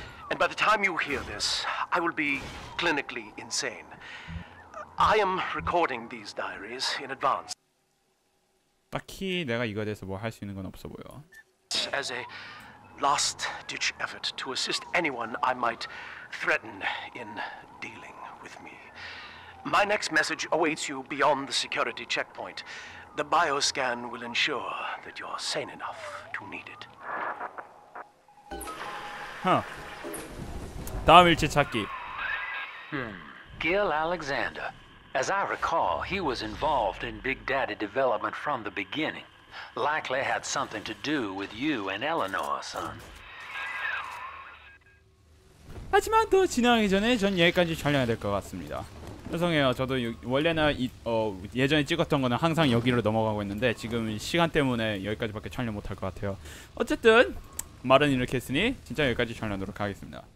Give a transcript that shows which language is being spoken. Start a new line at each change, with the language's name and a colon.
English: And by the time you hear this, I will be clinically insane. I am recording these diaries in advance.
Korean: 딱히 내가 이거에 대해서 뭐 할 수 있는 건 없어 보여.
English: As a last ditch effort to assist anyone I might threaten in dealing with me. My next message awaits you beyond the security checkpoint. The bioscan will ensure that you're sane enough to need it.
Korean: Huh. 다음 일체 찾기.
English: Gil Alexander. As I recall, he was involved in Big Daddy development from the beginning. Likely had something to do with you and Eleanor, son.
Korean: 하지만 더 진행하기 전에 전 여기까지 촬영해야 될 것 같습니다. 죄송해요. 저도 원래는 예전에 찍었던 거는 항상 여기로 넘어가고 있는데 지금 시간 때문에 여기까지밖에 촬영 못할 것 같아요. 어쨌든 말은 이렇게 했으니 진짜 여기까지 촬영하도록 하겠습니다.